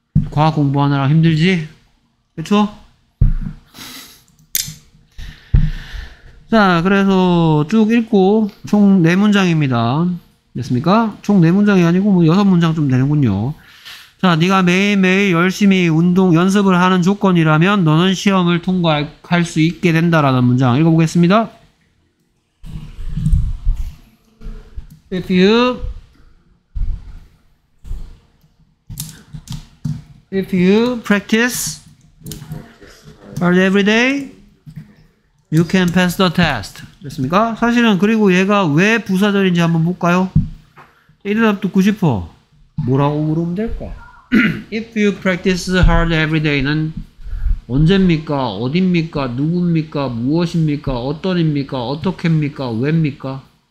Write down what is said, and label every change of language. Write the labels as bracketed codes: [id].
[ko] 과학 공부하느라 힘들지? 그쵸? 자, 그래서 쭉 읽고 총 네 문장입니다. 됐습니까? 총 네 문장이 아니고 뭐 여섯 문장 좀 되는군요. 자, 네가 매일매일 열심히 운동 연습을 하는 조건이라면 너는 시험을 통과할 수 있게 된다라는 문장 읽어보겠습니다. [en] If you practice hard every day, you can pass the test. [ko] 됐습니까? 사실은 그리고 얘가 왜 부사절인지 한번 볼까요? 이 대답 듣고 싶어. 뭐라고 물으면 될까? [en] If you practice hard every day [ko] 는 언제입니까? 어딥니까? 누굽니까? 무엇입니까? 어떤입니까? 어떻게입니까? 왜입니까?